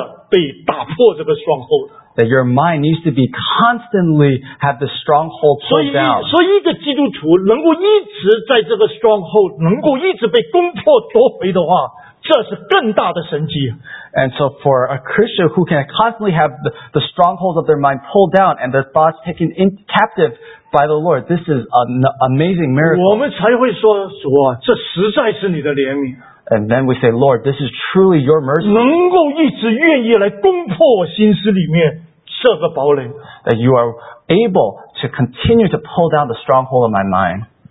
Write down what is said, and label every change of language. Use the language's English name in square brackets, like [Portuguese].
[Chinese] 你的心思要不断的被打破这个stronghold。 [English] That your mind needs to be constantly have the stronghold pulled down. [Chinese] 所以一个基督徒能够一直在这个 stronghold 能够一直被攻破夺回的话， 这是更大的神迹。 [English] And so for a Christian who can constantly have the strongholds of their mind pulled down and their thoughts taken in captive by the Lord, this is an amazing miracle. [Chinese] 我们才会说，主啊，这实在是你的怜悯。 [English] And then we say, Lord, this is truly your mercy. [Chinese] 能够一直愿意来攻破我心思里面。 [English] That you are able to continue to pull down the stronghold of my mind.